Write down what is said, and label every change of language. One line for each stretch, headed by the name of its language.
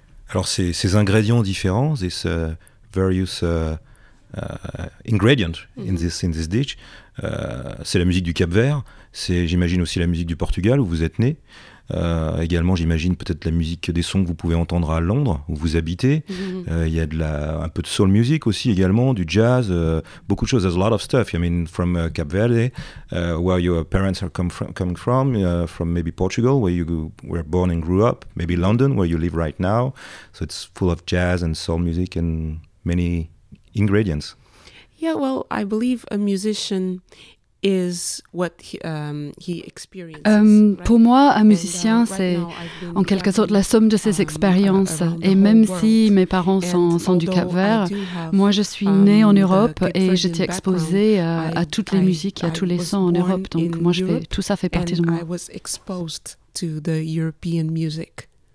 French: Alors ces ingrédients différents, ces
English: various ingredients in this dish,
French: c'est la musique du Cap Vert, c'est j'imagine aussi la musique du Portugal où vous êtes né, également j'imagine peut-être la musique des sons que vous pouvez entendre à Londres où vous habitez. Il y a un peu de soul music aussi également, du jazz, beaucoup de choses.
English: There's a lot of stuff. I mean from Cap Verde, where your parents are coming from, from maybe Portugal where you were born and grew up, maybe London where you live right now. So it's full of jazz and soul music and many ingredients. Yeah, well, I believe a musician is what he experiences.
French: Pour moi, un musicien, c'est en quelque sorte la somme de ses expériences. Et même si mes parents sont du Cap Vert, moi, je suis née en Europe et j'étais exposée à toutes les musiques et à tous les sons en Europe. Donc, moi, tout ça fait partie de moi.
English: I was exposed to the European music.